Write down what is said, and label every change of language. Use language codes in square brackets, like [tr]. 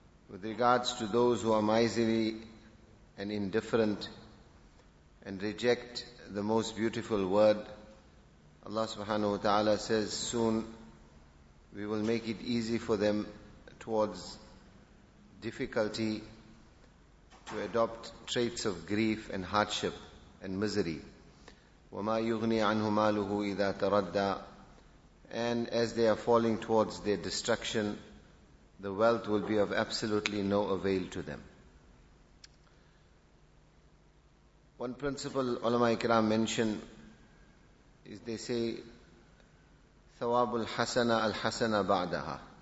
[en] With regards to those who are miserly and indifferent and reject the most beautiful word, Allah subhanahu wa ta'ala says, soon we will make it easy for them towards difficulty to adopt traits of grief and hardship and misery. [ar] وَمَا يُغْنِي عَنْهُ مَالُهُ إِذَا تَرَدَّى. [en] And as they are falling towards their destruction, the wealth will be of absolutely no avail to them. One principle ulama ikram mention is they say, [ar] ثَوَابُ الْحَسَنَةَ الْحَسَنَةَ بَعْدَهَا.